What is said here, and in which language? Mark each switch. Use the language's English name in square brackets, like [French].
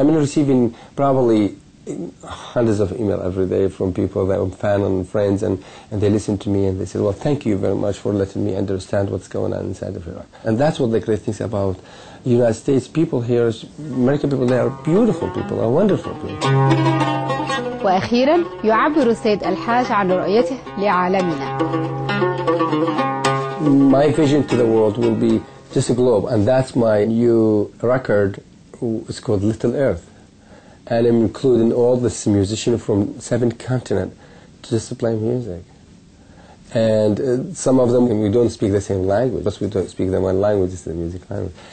[English] Receiving probably hundreds of emails every day from people that I'm fan and friends, and they listen to me and they say, well, thank you very much for letting me understand what's going on inside of Iraq. And that's what the great thing is about the United States people here, is American people, they are beautiful people, they are wonderful people. [Arabic] وأخيرا يعبر السيد الحاج عن رؤيته لعالمنا. [English] My vision to the world will be just a globe, and that's my new record. It's called Little Earth. And I'm including all this musician from 7 continents to just play music. And some of them, we don't speak the same language, because we don't speak the one language, it's the music language.